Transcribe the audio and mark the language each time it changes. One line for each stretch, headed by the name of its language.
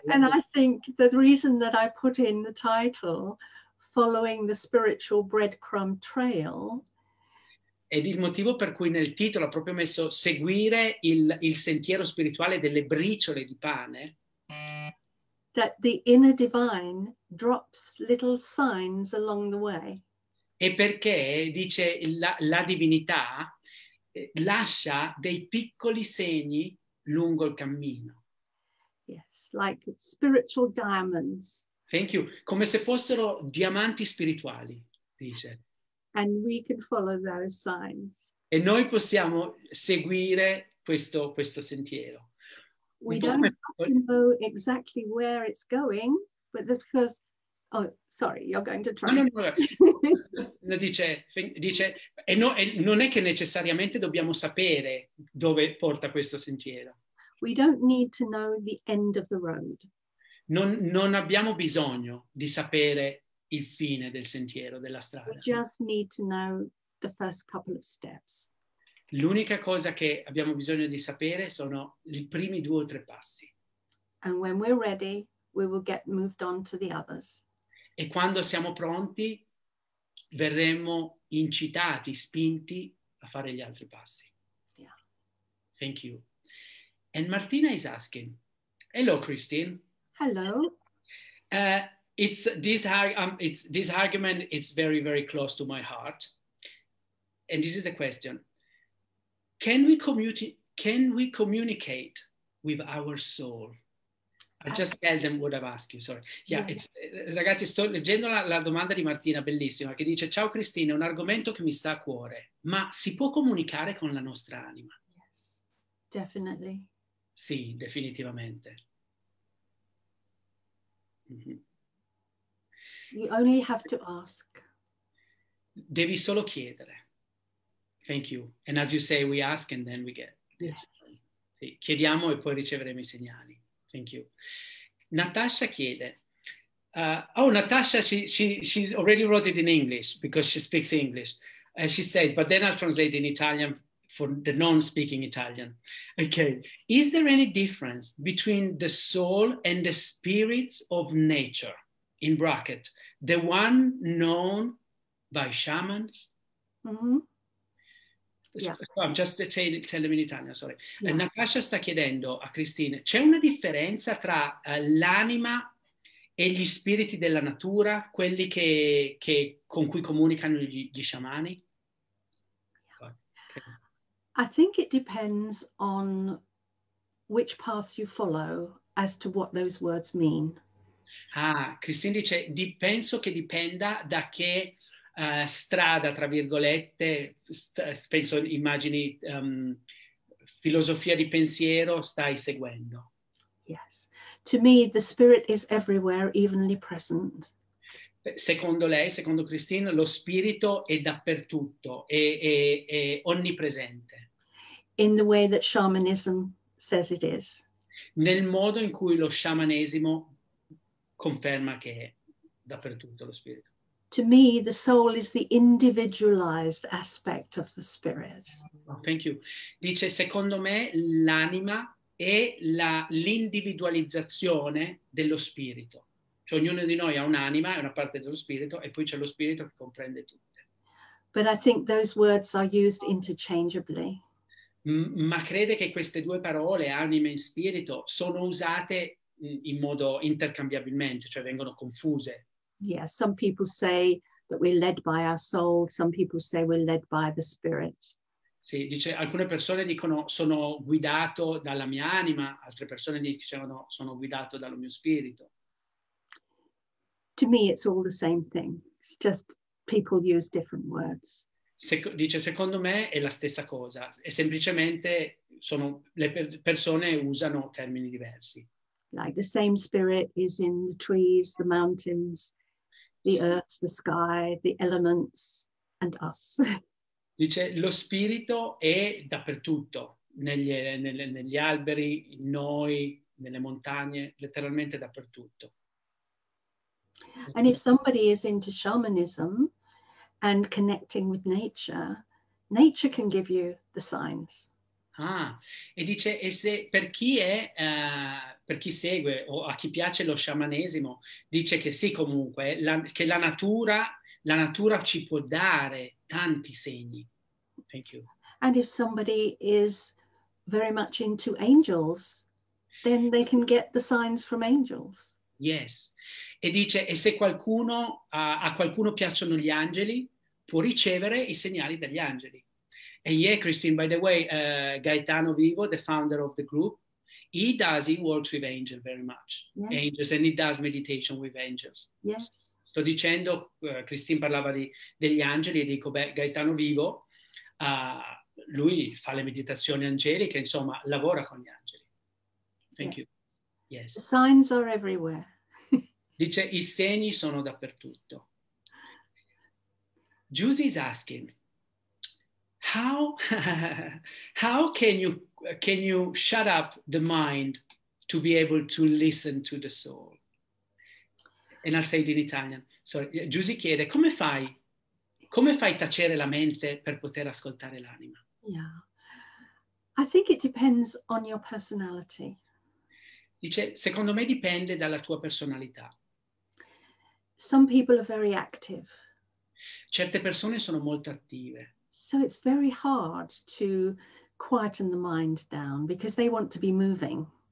English: And I think the reason that I put in the title, Following the Spiritual Breadcrumb Trail.
Italian: Ed il motivo per cui nel titolo ha proprio messo seguire il sentiero spirituale delle briciole di pane.
English: That the inner divine drops little signs along the way.
Italian: E perché, dice, la divinità lascia dei piccoli segni lungo il cammino.
English: Yes, like spiritual diamonds. Thank you.
Italian: Come se fossero diamanti spirituali, dice.
English: And we can follow those signs.
Italian: E noi possiamo seguire questo sentiero.
English: We don't have to know exactly where it's going, but that's because, oh, sorry, you're going to try.
Italian: No. Dice, E, no, e non è che necessariamente dobbiamo sapere dove porta questo sentiero.
English: We don't need to know the end of the road.
Italian: Non abbiamo bisogno di sapere il fine del sentiero, della strada.
English: We just need to know the first couple of steps.
Italian: L'unica cosa che abbiamo bisogno di sapere sono i primi due o tre passi.
English: And when we're ready, we will get moved on to the others.
Italian: E quando siamo pronti, verremo incitati, spinti a fare gli altri passi.
English: Yeah. Thank you. And Martina is asking, hello, Christine. Hello. This argument is very, very close to my heart. And this is the question. Can we communicate with our soul? Just tell them what I've asked you, sorry.
Italian: Ragazzi, sto leggendo la domanda di Martina, bellissima, che dice, ciao Cristina, è un argomento che mi sta a cuore, ma si può comunicare con la nostra anima?
English: Yes, definitely.
Italian: Sì, definitivamente.
English: Mm-hmm. You only have to ask.
Italian: Devi solo chiedere.
English: Thank you. And as you say, we ask and then we get. Yes.
Italian: Sì, chiediamo e poi riceveremo i segnali.
English: Thank you.
Italian: Natasha chiede.
English: Natasha, she already wrote it in English because she speaks English. She says, but then I'll translate in Italian for the non-speaking Italian. Okay. Is there any difference between the soul and the spirits of nature, in bracket, the one known by shamans? Mm-hmm. Yeah. So I'm just telling in Italian, sorry. Yeah.
Italian: Natasha sta chiedendo a Christine, c'è una differenza tra l'anima e gli spiriti della natura, quelli che con cui comunicano gli sciamani?
English: Yeah. Okay. I think it depends on which path you follow as to what those words mean.
Italian: Ah, Christine dice, penso che dipenda da che... strada, tra virgolette, penso, immagini, filosofia di pensiero stai seguendo.
English: Yes. To me, the spirit is everywhere, evenly present.
Italian: Secondo lei, secondo Christine, lo spirito è dappertutto, è onnipresente.
English: In the way that shamanism says it is.
Italian: Nel modo in cui lo sciamanesimo conferma che è dappertutto lo spirito.
English: To me, the soul is the individualized aspect of the spirit. Oh, thank you.
Italian: Dice, secondo me, l'anima è l'individualizzazione dello spirito. Cioè, ognuno di noi ha un'anima, è una parte dello spirito, e poi c'è lo spirito che comprende tutte.
English: But I think those words are used interchangeably.
Italian: Ma crede che queste due parole, anima e spirito, sono usate in modo intercambiabilmente, cioè vengono confuse.
English: Yes, yeah, some people say that we're led by our soul, some people say we're led by the spirit.
Italian: Sì, dice, alcune persone dicono sono guidato dalla mia anima, altre persone dicono sono guidato dallo mio spirito.
English: To me it's all the same thing, it's just people use different words.
Italian: Dice, secondo me è la stessa cosa, è semplicemente sono le persone usano termini diversi.
English: Like the same spirit is in the trees, the mountains, the earth, the sky, the elements, and us.
Italian: Dice, lo spirito è dappertutto, negli alberi, noi, nelle montagne, letteralmente dappertutto.
English: And if somebody is into shamanism and connecting with nature, nature can give you the signs.
Italian: Ah, e dice, e se per chi è, per chi segue o a chi piace lo sciamanesimo, dice che sì, comunque, che la natura ci può dare tanti segni.
English: Thank you. And if somebody is very much into angels, then they can get the signs from angels. Yes.
Italian: E dice, e se qualcuno, a qualcuno piacciono gli angeli, può ricevere i segnali dagli angeli.
English: And yeah, Christine, by the way, Gaetano Vivo, the founder of the group, he works with angels very much. Yes. Angels, and he does meditation with angels. Yes.
Italian: Sto dicendo, Christine parlava degli angeli, e dico, beh, Gaetano Vivo, lui fa le meditazioni angeliche, insomma, lavora con gli angeli.
English: Thank you. Yes. The signs are everywhere.
Italian: Dice, i segni sono dappertutto.
English: Juicy is asking, how how can you shut up the mind to be able to listen to the soul? And I'll say it in Italian.
Italian: So Giusy chiede, come fai tacere la mente per poter ascoltare l'anima?
English: Yeah, I think it depends on your personality.
Italian: Dice, secondo me dipende dalla tua personalità.
English: Some people are very active.
Italian: Certe persone sono molto attive.
English: So it's very hard to quieten the mind down because they want to be moving.